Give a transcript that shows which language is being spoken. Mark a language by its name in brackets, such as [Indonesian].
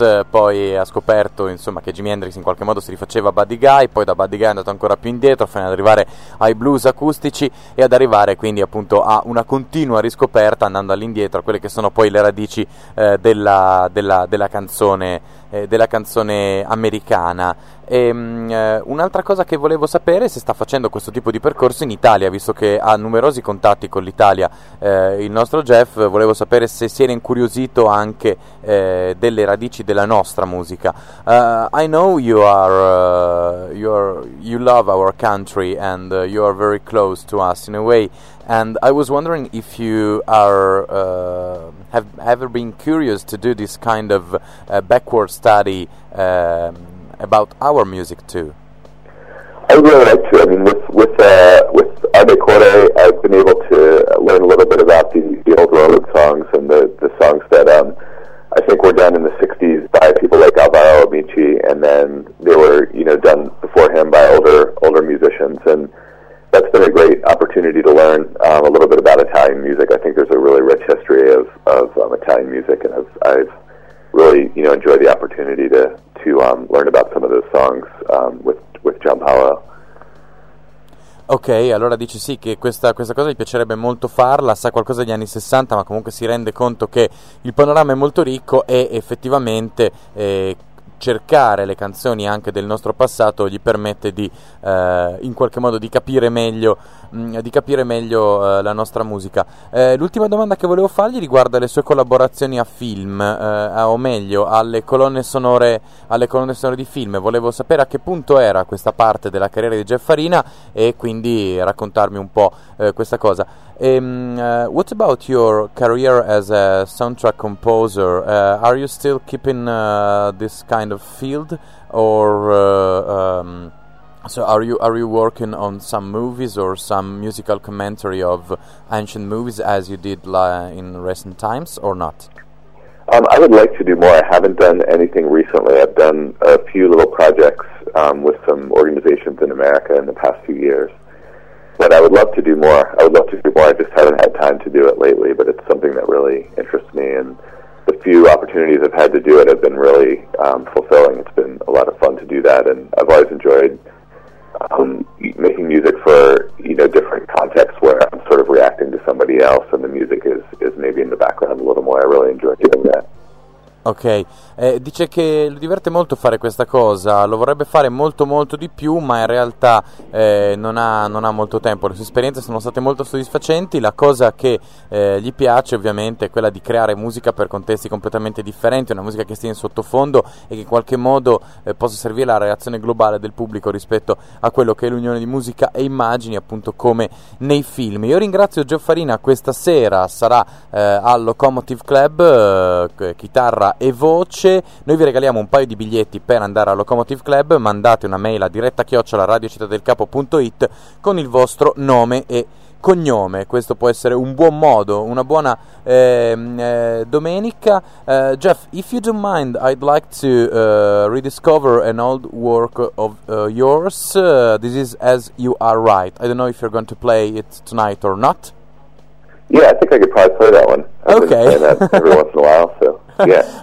[Italian] Poi ha scoperto, insomma, che Jimi Hendrix in qualche modo si rifaceva a Buddy Guy, poi da Buddy Guy è andato ancora più indietro fino ad arrivare ai blues acustici e ad arrivare quindi appunto a una continua riscoperta andando all'indietro a quelle che sono poi le radici della canzone americana. E un'altra cosa che volevo sapere è se sta facendo questo tipo di percorso in Italia, visto che ha numerosi contatti con l'Italia, il nostro Jeff. Volevo sapere se si era incuriosito anche delle radici della nostra musica. [English] I know you love our country and you are very close to us in a way, and I was wondering if you are have ever been curious to do this kind of backward study about our music too. I would really like to. I mean, with Hardcore, I've been able to learn a little bit about the old Rolling songs and the songs that I think were done in the 60s by people like Alvaro Amici, and then they were, you know, done before him by older musicians. And that's been a great opportunity to learn a little bit about Italian music. I think there's a really rich history of Italian music, and I've really, you know, enjoyed the opportunity to learn about some of those songs with Giampaolo. [Italian] Ok, allora dice sì che questa cosa gli piacerebbe molto farla, sa qualcosa degli anni 60, ma comunque si rende conto che il panorama è molto ricco e effettivamente cercare le canzoni anche del nostro passato gli permette di in qualche modo di capire meglio la nostra musica. L'ultima domanda che volevo fargli riguarda le sue collaborazioni a film, o meglio alle colonne sonore di film. Volevo sapere a che punto era questa parte della carriera di Jeff Farina e quindi raccontarmi un po' questa cosa. [English] What about your career as a soundtrack composer? Are you still keeping this kind of field, or so are you working on some movies or some musical commentary of ancient movies as you did in recent times, or not? I would like to do more. I haven't done anything recently. I've done a few little projects with some organizations in America in the past few years, but I would love to do more. I would love to do more. I just haven't had time to do it lately, but it's something that really interests me, and the few opportunities I've had to do it have been really fulfilling. It's been a lot of fun to do that, and I've always enjoyed making music for, you know, different contexts where I'm sort of reacting to somebody else and the music is maybe in the background a little more. I really enjoy doing that. [Italian] Ok, dice che lo diverte molto fare questa cosa, lo vorrebbe fare molto molto di più, ma in realtà non ha molto tempo. Le sue esperienze sono state molto soddisfacenti. La cosa che gli piace ovviamente è quella di creare musica per contesti completamente differenti, una musica che stia in sottofondo e che in qualche modo possa servire alla reazione globale del pubblico rispetto a quello che è l'unione di musica e immagini, appunto come nei film. Io ringrazio Jeff Farina, questa sera sarà al Locomotive Club, chitarra e voce. Noi vi regaliamo un paio di biglietti per andare al Locomotive Club, mandate una mail a diretta@radiocittadelcapo.it con il vostro nome e cognome. Questo può essere un buon modo, una buona domenica. [English] Jeff, if you don't mind, I'd like to rediscover an old work of yours. This is As You Are Right. I don't know if you're going to play it tonight or not. Yeah, I think I could probably play that one. I've okay. Been playing that every once in a while, so yeah.